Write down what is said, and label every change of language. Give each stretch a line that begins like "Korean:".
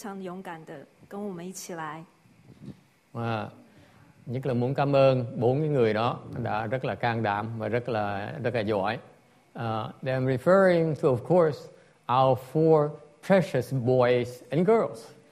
Chinese: 我要谢谢他们很乖，然后非常勇敢的跟我们一起来。
Vietnamese: Nhất là muốn cảm ơn 4 cái người đó đã rất là can đảm và rất là giỏi.
English: They are referring to, of course, our 4 precious boys and girls.